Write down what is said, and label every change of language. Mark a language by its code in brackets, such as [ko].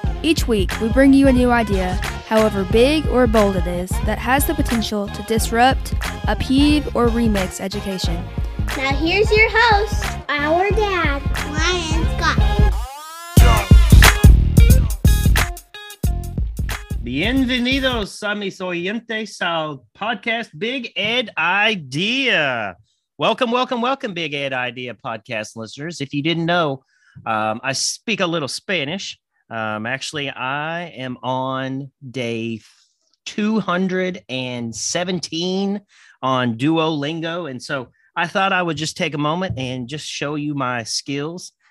[en] Each week, we bring you a new idea, however big or bold it is, that has the potential to disrupt, upheave, or remix education. Now here's your host, our dad, Ryan Scott. [es] Bienvenidos a mis oyentes al podcast Big Ed Idea. [en] Welcome, welcome, welcome, Big Ed Idea podcast listeners. If you didn't know, I speak a little Spanish. Actually, I am on day 217 on Duolingo. And so I thought I would just take a moment and just show you my skills.